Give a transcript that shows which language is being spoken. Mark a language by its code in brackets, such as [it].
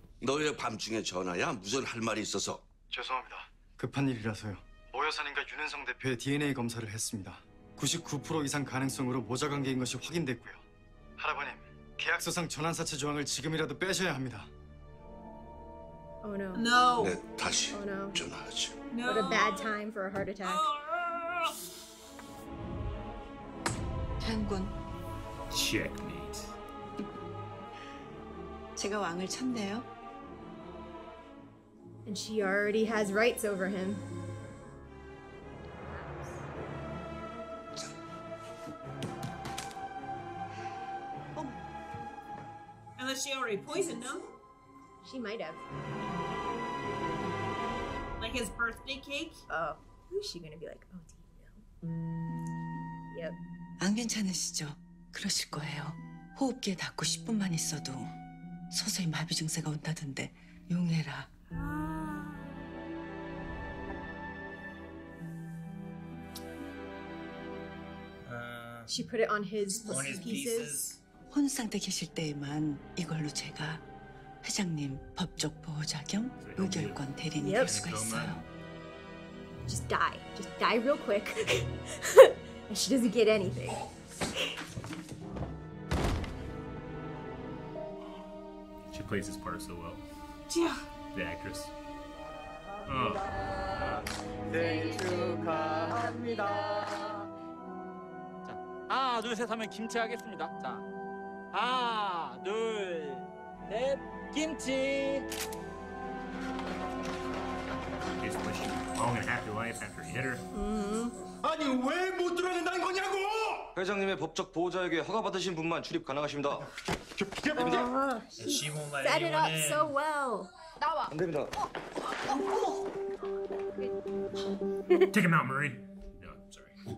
[ko] 너의 밤중에 전화야 무슨 할 말이 있어서. 죄송합니다. 급한 일이라서요. 모 여사님과 윤은성 대표의 DNA 검사를 했습니다. 99% 이상 가능성으로 모자 관계인 것이 확인됐고요. 할아버님, 계약서상 전환 사채 조항을 지금이라도 빼셔야 합니다. [en] Oh no. No. [ko] 네, 다시 [en] oh, no. [ko] 전화하죠. No. [en] What a bad time for a heart attack. [ko] 장군. [en] Checkmate. [ko] 제가 왕을 쳤네요. [en] And she already has rights over him. Oh. Unless she already poisoned him. She might have. Like his birthday cake? Oh. Who's she gonna be like, oh, do you know? Yep. [ko] 안 괜찮으시죠? 그러실 거예요. 호흡기에 닿고 10분만 있어도 서서히 마비 증세가 온다던데 용해라. [en] She put it on his pieces. [ko] 혼 상태 계실 때에만 이걸로 제가 회장님 법적 보호자 겸 의결권 대리인이 될 수가 있어요. [en] Just die. Just die real quick. And she doesn't get anything. She plays this part so well. Yeah. The actress. [ko] Oh. 생일 축하합니다. 아, 둘, 셋 하면 김치 하겠습니다. 자, 하나, 둘, 넷, 김치! [en] This machine blown in half your life after you hit her. Mm-hmm. [ko] 아니 왜 못 들어간다는 거냐고! 회장님의 법적 보호자에게 허가 받으신 분만 출입 가능하십니다. [en] She won't let anyone in. Set it up so well. [ko] 나와. 안 됩니다. [en] Take him out, Marie. No, I'm sorry.